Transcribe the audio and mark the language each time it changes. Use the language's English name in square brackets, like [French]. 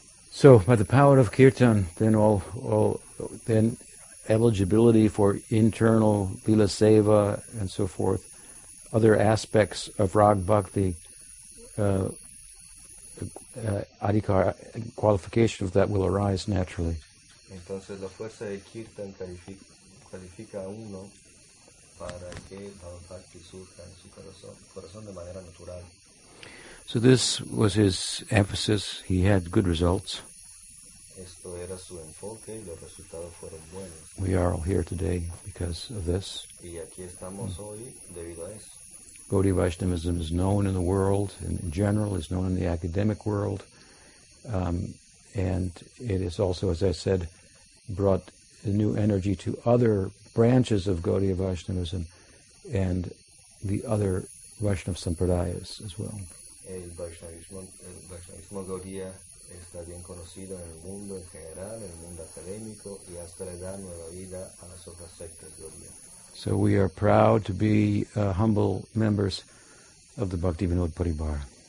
[English] So by the power of kirtan, then all eligibility for internal lila seva and so forth, other aspects of rag bhakti, adhikar, qualification of that will arise naturally. [Spanish] Entonces la fuerza de kirtan califica a uno para que bhava bhakti surja en su corazón de manera natural. [English] So this was his emphasis. He had good results. [Spanish] Esto era su enfoque y los resultados fueron buenos. [English] We are all here today because of this. [Spanish] Y aquí estamos hoy debido a eso. [English] Gaudiya Vaishnavism is known in the world, in general, is known in the academic world, and it is also, as I said, brought a new energy to other branches of Gaudiya Vaishnavism and the other Vaishnav sampradayas as well. [Spanish] El Vaishnavismo Gaudiya está bien conocido en el mundo en general, en el mundo académico, y hasta le da nueva vida a las otras sectas Gaudiya. [English] So we are proud to be humble members of the Bhaktivinoda Paribara.